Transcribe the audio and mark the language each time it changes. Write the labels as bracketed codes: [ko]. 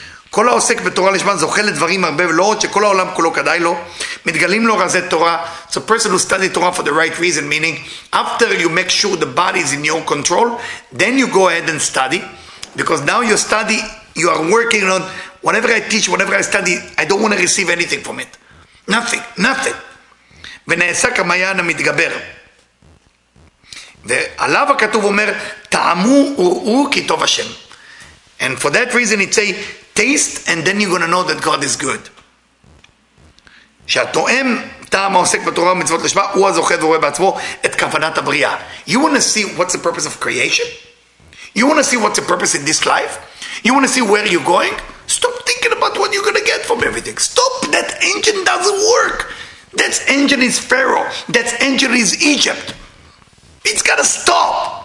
[he] כל העוסק בתורה לשמן זוכה לדברים הרבה ולא עוד שכל העולם כולו כדאי לו מתגלים לו רזי תורה. [en] So person who study Torah for the right reason, meaning after you make sure the body is in your control, then you go ahead and study, because now you study, you are working on whatever I teach, whatever I study, I don't want to receive anything from it. [he] Nothing. ונעשה כמיין המתגבר. ועליו הכתוב אומר, תעמו וראו כי טוב השם. [en] And for that reason it say, taste, and then you're going to know that God is good. [he] שהתואם טעם העוסק בתורה ומצוות לשמה, הוא הזוכה ורואה בעצמו את כוונת הבריאה. [en] You want to see what's the purpose of creation? You want to see what's the purpose in this life? You want to see where you're going? Stop thinking about what you're going to get from everything. Stop. That engine doesn't work. That engine is Pharaoh. That engine is Egypt. It's got to stop.